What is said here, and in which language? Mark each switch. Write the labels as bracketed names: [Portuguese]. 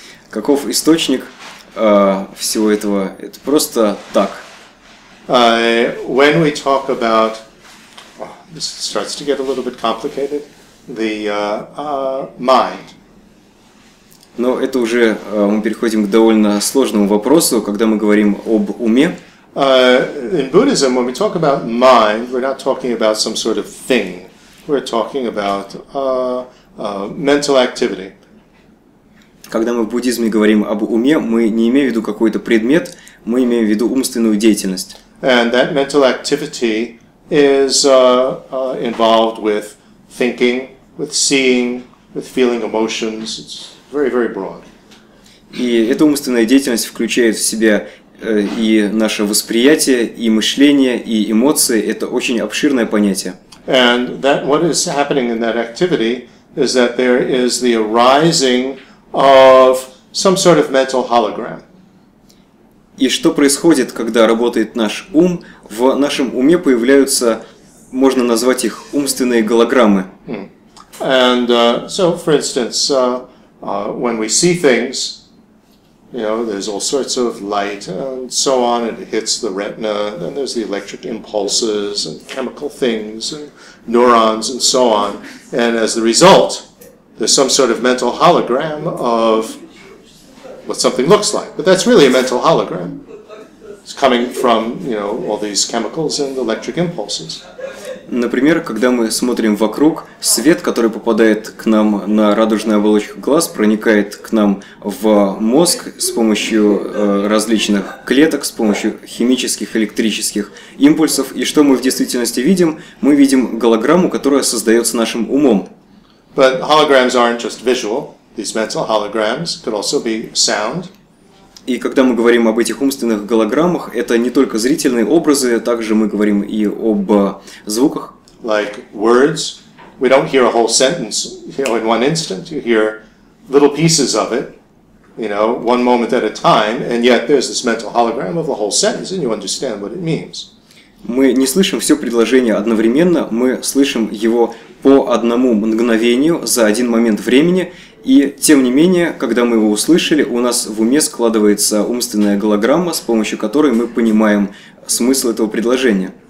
[Russian] Каков источник всего этого? Это просто так. [English] When we talk about... Oh, this starts to get a little bit complicated. The mind. [Russian] Но это уже мы переходим к довольно сложному вопросу, когда мы говорим об уме. [English] In Buddhism, when we talk about mind, we're not talking about some sort of thing. We're talking about mental activity. [Russian] Когда мы в буддизме говорим об уме, мы не имеем в виду какой-то предмет, мы имеем в виду умственную деятельность. [English] And that mental activity is involved with thinking, with seeing, with feeling emotions. It's very, very broad. [Russian] И эта умственная деятельность включает в себя и наше восприятие, и мышление, и эмоции. Это очень обширное понятие. [English] And that what is happening in that activity is that there is the arising of some sort of mental hologram. [Russian] И что происходит, когда работает наш ум? В нашем уме появляются, можно назвать их, умственные голограммы. [English] And so, for instance, when we see things, you know, there's all sorts of light and so on, and it hits the retina, then there's the electric impulses and chemical things and neurons and so on. And as the result, there's some sort of mental hologram of what something looks like. But that's really a mental hologram. It's coming from, you know, all these chemicals and electric impulses. [Russian] Например, когда мы смотрим вокруг, свет, который попадает к нам на радужную оболочку глаз, проникает к нам в мозг с помощью различных клеток, с помощью химических, электрических импульсов. И что мы в действительности видим? Мы видим голограмму, которая создается нашим умом. [English] But holograms aren't just visual. These mental holograms could also be sound. [Russian] И когда мы говорим об этих умственных голограммах, это не только зрительные образы, также мы говорим и об звуках. [English] Like words, we don't hear a whole sentence, you know, in one instant. You hear little pieces of it, you know, one moment at a time, and yet there's this mental hologram of the whole sentence, and you understand what it means. [Russian] Мы не слышим все предложение одновременно, мы слышим его по одному мгновению за один момент времени. И тем не менее, когда мы его услышали, у нас в уме складывается умственная голограмма, с помощью которой мы понимаем смысл этого предложения.